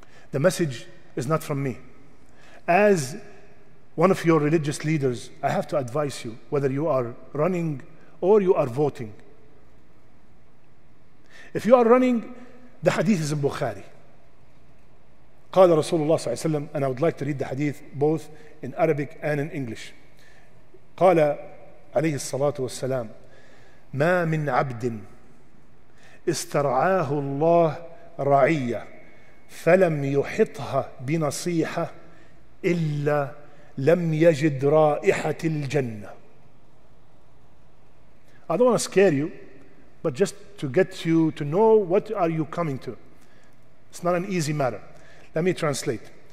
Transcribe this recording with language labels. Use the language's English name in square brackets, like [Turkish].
[English] The message is not from me. As one of your religious leaders, I have to advise you, whether you are running or you are voting. If you are running, the hadith is in Bukhari. [Arabic] قال رسول الله صلى الله عليه وسلم, [English] and I would like to read the hadith both in Arabic and in English. [Arabic] قال عليه الصلاة والسلام ما من عبد استرعاه الله رعية فلم يحطها بنصيحة إلا لَمْ يَجِدْ رَائِحَةِ الْجَنَّةِ. [English] I don't want to scare you, but just to get you to know what are you coming to. It's not an easy matter. Let me translate.